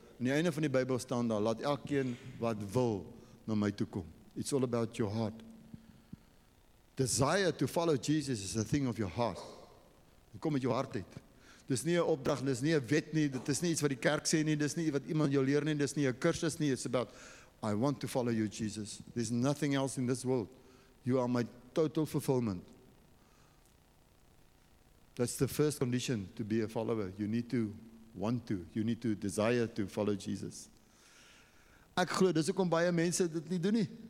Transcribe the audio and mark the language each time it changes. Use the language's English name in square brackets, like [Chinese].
[Afrikaans] In die einde van die Bybel staan daar, laat elkeen wat wil na my toe kom. [English] It's all about your heart. Desire to follow Jesus is a thing of your heart. [Afrikaans] Dit kom met jou hart uit. Dit is nie 'n opdrag, dit is nie 'n wet nie, dit is nie iets wat die kerk sê nie, dit is nie wat iemand jou leer nie, dit is nie 'n kursus nie, [English] it's about, I want to follow you, Jesus. There's nothing else in this world. You are my total fulfillment. That's the first condition to be a follower. You need to want to, you need to desire to follow Jesus. [Afrikaans] Ek glo, dis hoekom baie mense dit nie doen nie.